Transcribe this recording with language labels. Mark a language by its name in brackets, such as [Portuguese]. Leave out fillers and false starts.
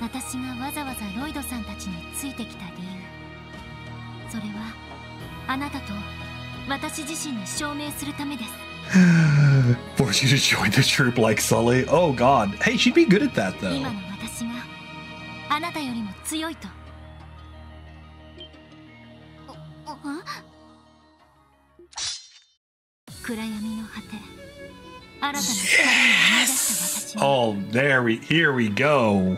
[Japanese] 私がわざわざロイドさんたちについてきた理由、それはあなたと私自身に証明するためです。 [English] Force you to join the troop like Sully. Oh god. Hey, she'd be good at that though. [Japanese] 今の私があなたよりも強いと。暗闇の果て、 [English] Yes! Oh, here we go.